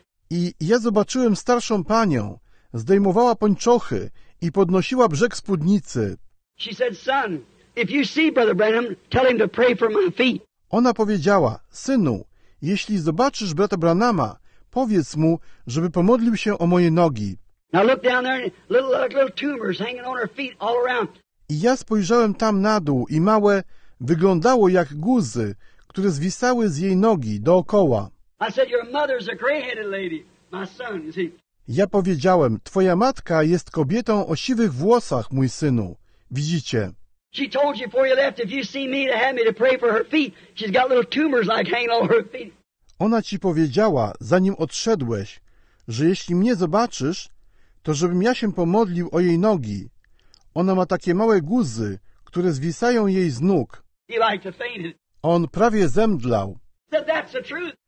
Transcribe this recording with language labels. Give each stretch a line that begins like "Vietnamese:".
Polish: I ja zobaczyłem starszą panią. Zdejmowała pończochy i podnosiła brzeg spódnicy.
English: She said, son, if you see Brother Branham, tell him to pray for my feet.
Polish: Ona powiedziała, synu, jeśli zobaczysz brata Branhama, powiedz mu, żeby pomodlił się o moje nogi.
English: Now look down there, little tumors hanging on her feet all around.
Polish: I ja spojrzałem tam na dół i małe wyglądało jak guzy, które zwisały z jej nogi dookoła.
English: I said, your mother's a gray-headed lady, my son, you see.
Polish: Ja powiedziałem, twoja matka jest kobietą o siwych włosach, mój synu. Widzicie?
English: She told you before you left, if you see me, to have me to pray for her feet. She's got little tumors like hanging on her feet.
Polish: Ona ci powiedziała, zanim odszedłeś, że jeśli mnie zobaczysz, to żebym ja się pomodlił o jej nogi. Ona ma takie małe guzy, które zwisają jej z nóg.
English: He like to faint.
Polish: On prawie zemdlał.
English: Said, that's the truth.